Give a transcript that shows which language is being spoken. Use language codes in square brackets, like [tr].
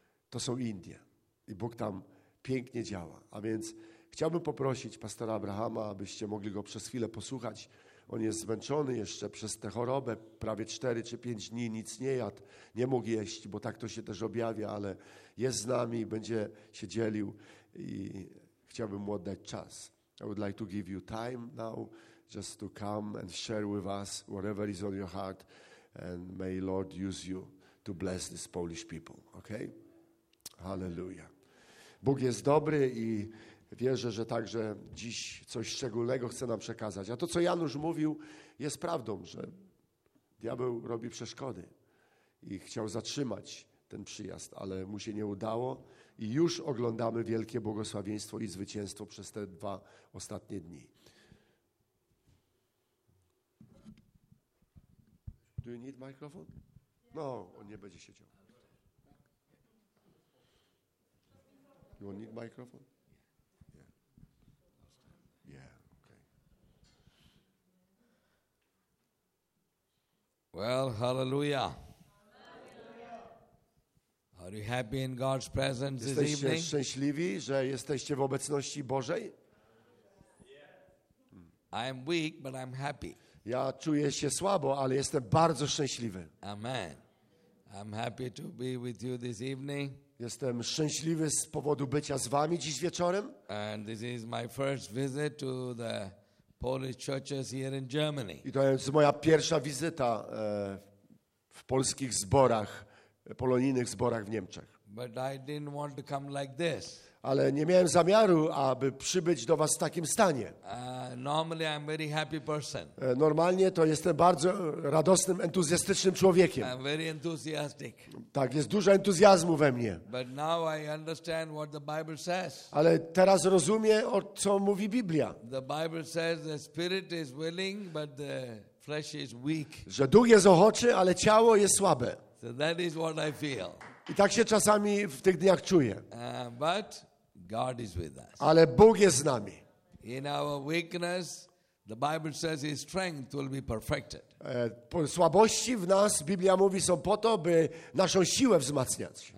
[pl] To są Indie i Bóg tam pięknie działa. A więc chciałbym poprosić pastora Abrahama, abyście mogli go przez chwilę posłuchać. On jest zmęczony jeszcze przez tę chorobę, prawie 4 czy 5 dni nic nie jadł, nie mógł jeść, bo tak to się też objawia, ale jest z nami, będzie się dzielił i chciałbym mu oddać czas. [en] I would like to give you time now, just to come and share with us whatever is on your heart and may Lord use you to bless this Polish people, okay? Hallelujah. [pl] Bóg jest dobry i wierzę, że także dziś coś szczególnego chce nam przekazać. A to, co Janusz mówił, jest prawdą, że diabeł robi przeszkody i chciał zatrzymać ten przyjazd, ale mu się nie udało i już oglądamy wielkie błogosławieństwo i zwycięstwo przez te dwa ostatnie dni. [en] Do you need microphone? [pl] No, on nie będzie siedział. [en] You want need microphone? Well, hallelujah. Are you happy in God's presence this evening? [pl] Jesteście szczęśliwi, że jesteście w obecności Bożej? [en] I'm weak, but I'm happy. [pl] Ja czuję się słabo, ale jestem bardzo szczęśliwy. [en] Amen. I'm happy to be with you this evening. [pl] Jestem szczęśliwy z powodu bycia z wami dziś wieczorem. [en] And this is my first visit to the Polish churches here in Germany. [pl] I to jest moja pierwsza wizyta w polskich zborach, polonijnych zborach w Niemczech. [en] But I didn't want to come like this. [pl] Ale nie miałem zamiaru, aby przybyć do was w takim stanie. [en] Normally I'm very happy person. [pl] Normalnie to jestem bardzo radosnym, entuzjastycznym człowiekiem. [en] I'm very enthusiastic. [pl] Tak, jest dużo entuzjazmu we mnie. [en] But now I understand what the Bible says. [pl] Ale teraz rozumiem, o co mówi Biblia. [en] The Bible says the spirit is willing, but the flesh is weak. [pl] Że duch jest ochoczy, ale ciało jest słabe. [en] So that is what I feel. [pl] I tak się czasami w tych dniach czuję. [en] But God is with us. [pl] Ale Bóg jest z nami. [en] In our weakness, the Bible says his strength will be perfected. [pl] Słabości w nas, Biblia mówi, są po to, by naszą siłę wzmacniać.